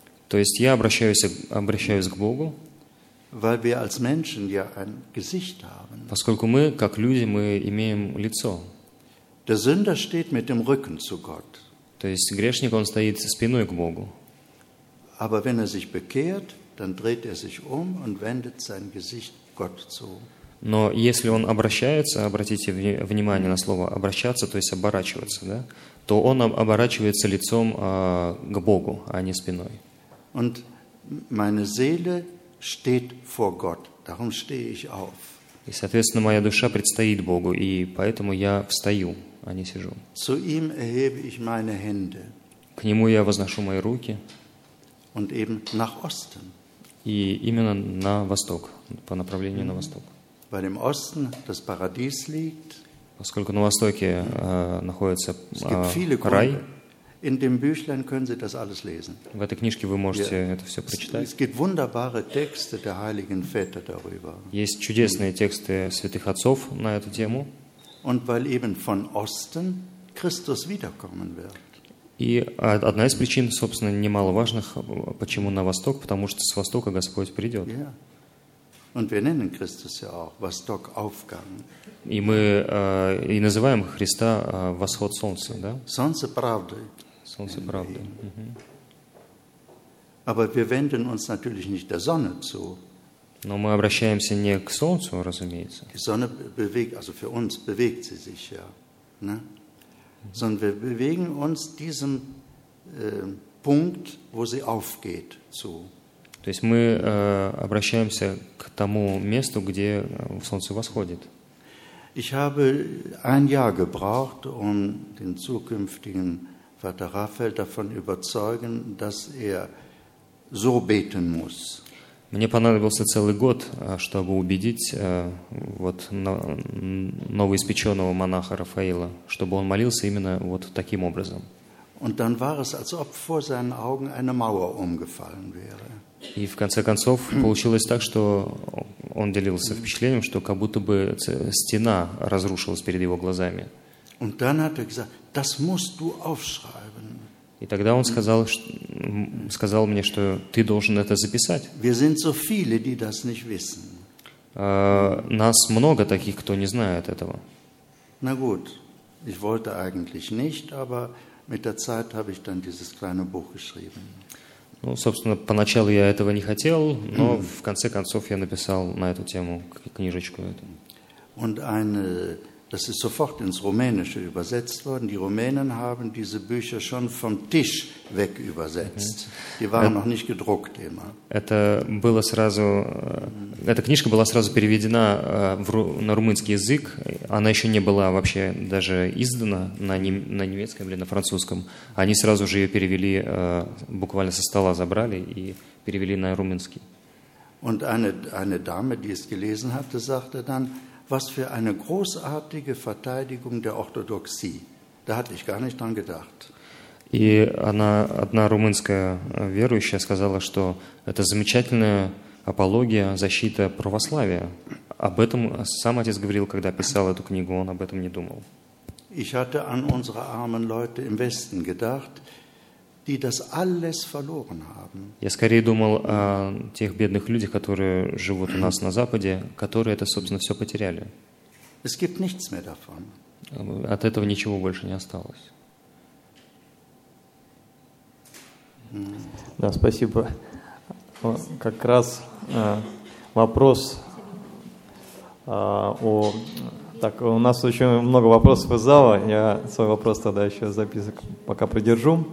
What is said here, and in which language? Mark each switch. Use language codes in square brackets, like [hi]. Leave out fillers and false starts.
[ru] То есть я обращаюсь к Богу. [de] Weil wir als Menschen ja ein Gesicht haben. [ru] Поскольку мы как люди мы имеем лицо. [de] Der Sünder steht mit dem Rücken zu Gott. [ru] То есть грешник он стоит спиной к Богу. [de] Aber wenn er sich bekehrt, dann dreht er sich und wendet sein Gesicht Gott zu. [ru] Но если он обращается, обратите внимание на слово обращаться, то есть оборачиваться, да, то он оборачивается лицом к Богу, а не спиной. [de] Und meine Seele steht vor Gott, darum stehe ich auf. [ru] И, соответственно, моя душа предстоит Богу, и поэтому я встаю, а не сижу. [de] Zu ihm erhebe ich meine Hände. [ru] К нему я возношу мои руки. [de] Und eben nach Osten. [ru] И именно на восток, по направлению на восток. [de] Weil im Osten das Paradies liegt. [ru] Поскольку на востоке находится рай. [de] In dem Büchlein können Sie das alles lesen. [ru] В этой книжке вы можете это все прочитать. [de] Es gibt wunderbare Texte der heiligen Väter darüber. [ru] Есть чудесные тексты святых отцов на эту тему. [de] Und weil eben von Osten Christus wiederkommen wird. [ru] И одна из причин, собственно, немаловажных, почему на восток, потому что с востока Господь придет. [de] Und wir nennen Christus ja auch Восток-Aufgang. [ru] И мы и называем Христа восход солнца, да? Солнце правды. Солнце правды. [de] Aber wir wenden uns natürlich nicht der Sonne zu. [ru] Но мы обращаемся не к солнцу, разумеется. [de] Die Sonne bewegt, also für uns bewegt sie sich ja, ne? Sondern wir bewegen uns diesem Punkt, wo sie aufgeht, zu. [ru] То есть мы обращаемся к тому месту, где солнце восходит. [de] Ich habe ein Jahr gebraucht, den zukünftigen Vater Raphael davon überzeugen, dass so beten muss. [ru] Мне понадобился целый год, чтобы убедить новоиспеченного монаха Рафаила, чтобы он молился именно вот таким образом. [de] Und dann war es, als ob vor seinen Augen eine Mauer umgefallen wäre. [ru] И в конце концов получилось так, что он делился впечатлением, что как будто бы стена разрушилась перед его глазами. [de] Und dann hat gesagt, das musst du aufschreiben. [ru] И тогда он сказал мне, что ты должен это записать. [de] Wir sind so viele, die das nicht wissen. [ru] Нас много таких, кто не знает этого. [de] Na gut, ich wollte eigentlich nicht, aber mit der Zeit habe ich dann dieses kleine Buch geschrieben. [ru] Ну, собственно, поначалу я этого не хотел, но в конце концов я написал на эту тему книжечку эту. [de] Und das ist sofort ins Rumänische übersetzt worden. Die Rumänen haben diese Bücher schon vom Tisch weg übersetzt. Die waren noch nicht gedruckt immer. [ru] Эта книжка была сразу переведена на румынский язык. Она еще не была вообще даже издана на немецком или на французском. Они сразу же ее перевели, буквально со стола забрали и перевели на румынский. [de] Und eine Dame, die es gelesen hatte, sagte dann, was für eine großartige Verteidigung der Orthodoxie. Da hatte ich gar nicht dran gedacht. [ru] И одна румынская верующая сказала, что это замечательная апология, защита православия. Об этом сам отец говорил, когда писал эту книгу, он об этом не думал. [de] Ich hatte an unsere armen Leute im Westen gedacht, die das alles verloren haben. [ru] Я скорее думал о тех бедных людях, которые живут у нас на Западе, которые это, собственно, все потеряли. [de] Es gibt nichts mehr davon. [ru] От этого ничего больше не осталось. Да, спасибо. как раз вопрос о... Так, у нас очень много вопросов из зала. Я свой вопрос тогда еще записок пока придержу.